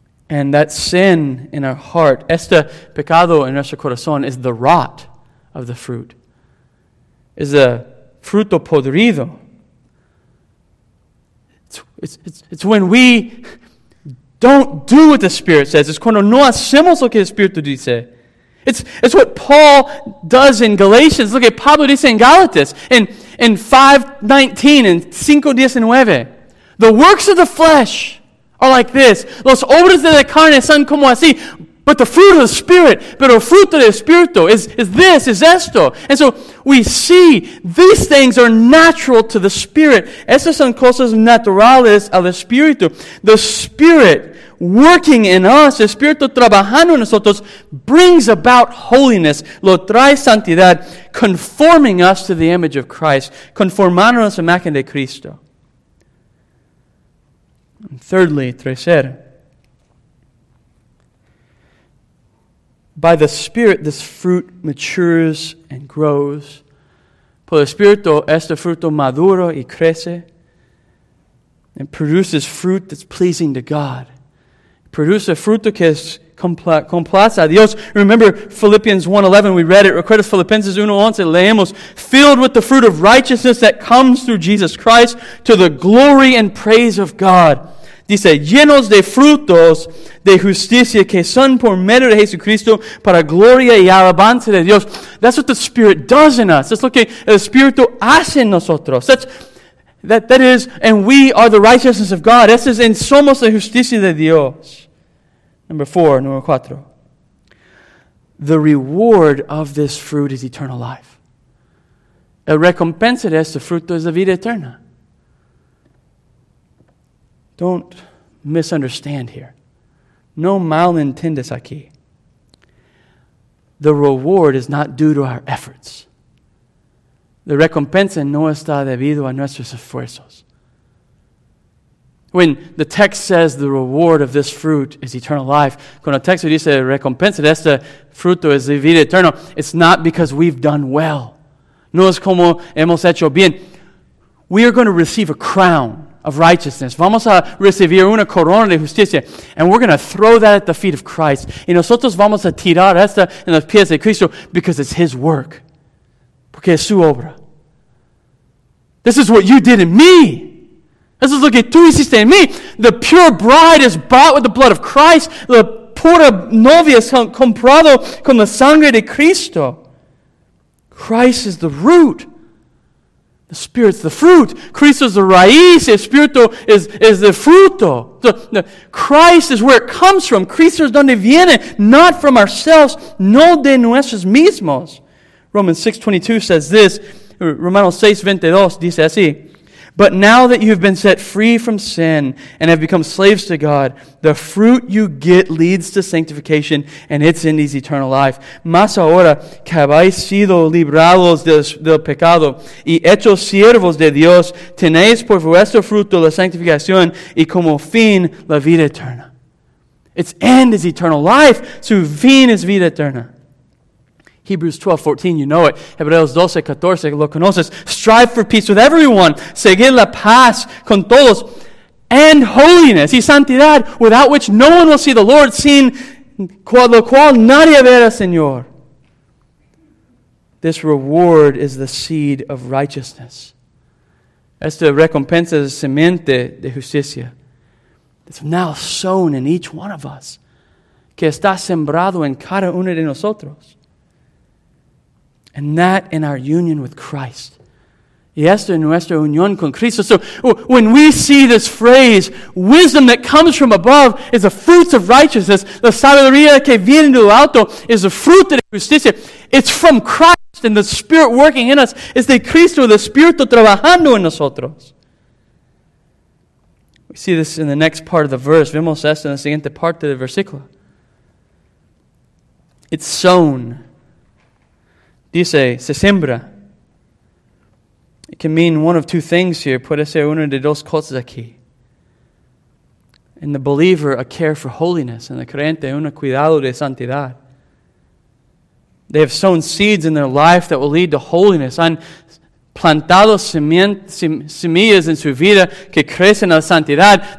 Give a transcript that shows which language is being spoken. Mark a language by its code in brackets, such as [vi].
[en] And that sin in our heart, [es] este pecado en nuestro corazón, [en] is the rot of the fruit. Is a [es] fruto podrido. [en] It's when we don't do what the Spirit says. [es] Es cuando no hacemos lo que el Espíritu dice. [en] It's what Paul does in Galatians. Look at [es] Pablo dice en Galatas [en] in 5:19 and 5:19. The works of the flesh are like this. [es] Los obras de la carne son como así. [en] But the fruit of the Spirit, [es] pero el fruto del Espíritu es esto. [en] And so we see these things are natural to the Spirit. [es] Estas son cosas naturales al Espíritu. [en] The Spirit working in us, [es] el Espíritu trabajando en nosotros, [en] brings about holiness, [es] lo trae santidad, [en] conforming us to the image of Christ, [es] conformándonos a la imagen de Cristo. [en] And thirdly, tercer, by the Spirit, this fruit matures and grows. [es] Por el Espíritu, este fruto maduro y crece, [en] and produces fruit that's pleasing to God. [es] Produce a fruto que es complace a Dios. [en] Remember Philippians 1:11, we read it. [es] Recuerda Filipenses 1:11, leemos. [en] Filled with the fruit of righteousness that comes through Jesus Christ to the glory and praise of God. [es] Dice, llenos de frutos de justicia que son por medio de Jesucristo para gloria y alabanza de Dios. [en] That's what the Spirit does in us. That's [es] lo que el Espíritu hace en nosotros. [en] That is, and we are the righteousness of God. [es] Eso es, en somos la justicia de Dios. Número cuatro. [en] The reward of this fruit is eternal life. [es] El recompensa de este fruto es la vida eterna. [en] Don't misunderstand here. [es] No mal entiendes aquí. [en] The reward is not due to our efforts. [es] La recompensa no está debido a nuestros esfuerzos. [en] When the text says the reward of this fruit is eternal life, [es] cuando el texto dice recompensa de este fruto es vida eterna, [en] it's not because we've done well. [es] No es como hemos hecho bien. [en] We are going to receive a crown of righteousness. [es] Vamos a recibir una corona de justicia. [en] And we're going to throw that at the feet of Christ. [es] Y nosotros vamos a tirar esta en los pies de Cristo [en] because it's His work. [es] Porque es su obra. [en] This is what you did in me. This is [es] lo que tú hiciste en mí. [en] The pure bride is bought with the blood of Christ. [es] La pura novia es comprado con la sangre de Cristo. [en] Christ is the root. The Spirit's the fruit. [es] Cristo es la raíz. El Espíritu es el fruto. [en] Christ is where it comes from. [es] Cristo es donde viene. [en] Not from ourselves. [es] No de nuestros mismos. [en] Romans 6:22 says this. [es] Romanos 6:22 dice así. [en] But now that you've been set free from sin and have become slaves to God, the fruit you get leads to sanctification and it's in his eternal life. [es] Mas ahora que habéis sido librados del pecado y hechos siervos de Dios, tenéis por vuestro fruto la sanctificación y como fin la vida eterna. [en] Its end is eternal life, [es] su fin es vida eterna. [en] Hebrews 12:14, you know it. [es] Hebreos 12:14, lo conoces. [en] Strive for peace with everyone. [es] Seguir la paz con todos. [en] And holiness. [es] Y santidad, [en] without which no one will see the Lord, [es] sin lo cual nadie verá, Señor. [en] This reward is the seed of righteousness. [es] Esta recompensa es semente de justicia. [en] It's now sown in each one of us. [es] Que está sembrado en cada uno de nosotros. [en] And that in our union with Christ. [es] Y esto en nuestra unión con Cristo. [en] So when we see this phrase, wisdom that comes from above is the fruits of righteousness. [es] La sabiduría que viene de lo alto [en] is the fruit [es] de justicia. [en] It's from Christ and the Spirit working in us. [es] Es de Cristo, el Espíritu trabajando en nosotros. [en] We see this in the next part of the verse. [es] Vemos esto en la siguiente parte del versículo. [en] It's sown. [es] Dice, se siembra. [en] It can mean one of two things here. [es] Puede ser una de dos cosas aquí. [en] In the believer, a care for holiness. In the creyente, [es] un cuidado de santidad. [en] They have sown seeds in their life that will lead to holiness. [es] Han plantado semillas en su vida que crecen a la santidad.